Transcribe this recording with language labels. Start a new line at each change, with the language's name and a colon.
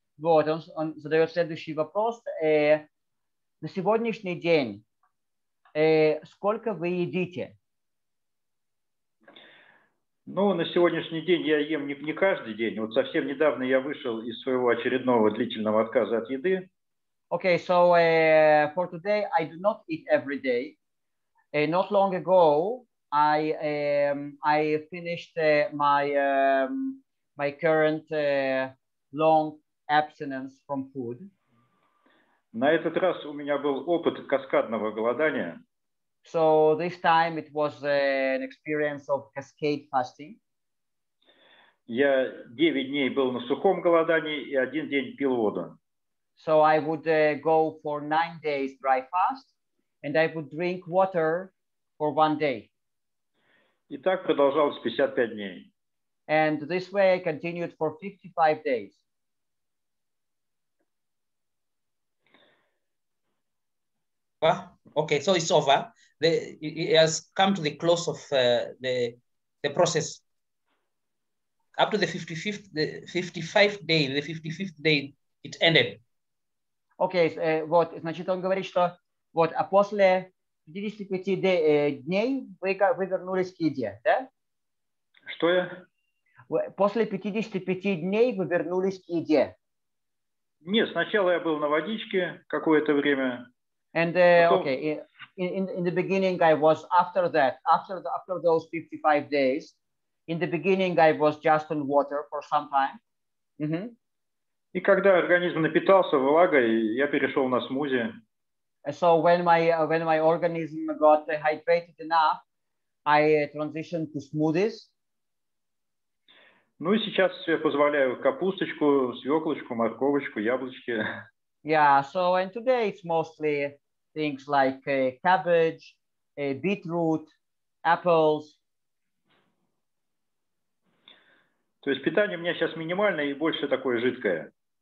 Russian: Вот, он задает следующий вопрос. На сегодняшний день сколько вы едите? Ну, на сегодняшний день я ем не каждый день. Вот совсем недавно я вышел из своего очередного длительного отказа от еды.
English: Okay, so for today I do not eat every day. Not long ago I finished my current long abstinence from food.
Russian: На этот раз у меня был опыт каскадного голодания.
English: So this time it was an experience of cascade fasting.
Russian: Я 9 дней был на сухом голодании и 1 день пил воду.
English: So I would go for 9 days dry fast and I would drink water for 1 day.
Russian: И так продолжалось 55 дней.
English: And this way I continued for 55 days. Okay, so it's over. It has come to the close of the process. Up to the 55th day, it ended.
Russian: Okay, вот, значит, он говорит, что вот, а после 55 дней вы вернулись к еде, да? Что я? После 55 дней вы вернулись к еде. Нет, сначала я был на водичке какое-то время.
English: And okay, in the beginning I was after those 55 days, in the beginning I was just on water for some time.
Russian: И когда организм напитался влагой, я перешел на смузи.
English: So when my organism got hydrated enough, I transitioned to smoothies.
Russian: Ну и сейчас я позволяю капусточку, свеклочку, морковочку, яблочки.
English: Yeah, so and today it's mostly things like cabbage, beetroot, apples.
Russian: То есть питание у меня сейчас минимальное и больше такое жидкое.